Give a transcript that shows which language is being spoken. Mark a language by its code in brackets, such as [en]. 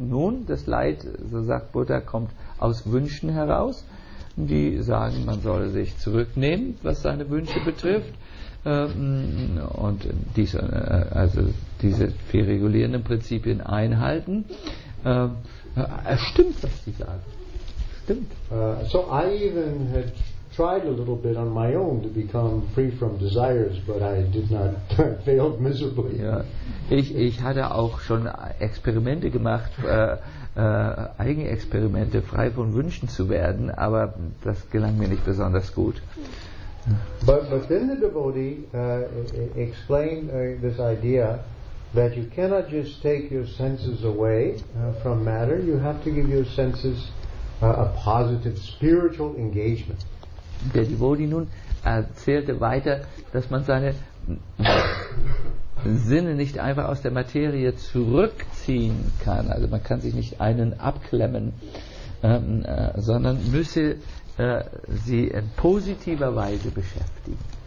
[de] Nun, das Leid, so sagt Buddha, kommt aus Wünschen heraus. Die sagen, man solle sich zurücknehmen, was seine Wünsche betrifft. Und diese, also diese vier regulierenden Prinzipien einhalten. Es stimmt, was die sagen. [en] So I even had tried a little bit on my own to become free from desires, but I did not failed miserably. [de] Ja, ich hatte auch schon Experimente gemacht, Eigenexperimente, frei von Wünschen zu werden, aber das gelang mir nicht besonders gut. [en] But then the devotee explained this idea that you cannot just take your senses away from matter, you have to give your senses a positive spiritual engagement. [de] Der Devotee nun erzählte weiter, dass man seine Sinne nicht einfach aus der Materie zurückziehen kann. Also man kann sich nicht einen abklemmen, sondern müsse sie in positiver Weise beschäftigen.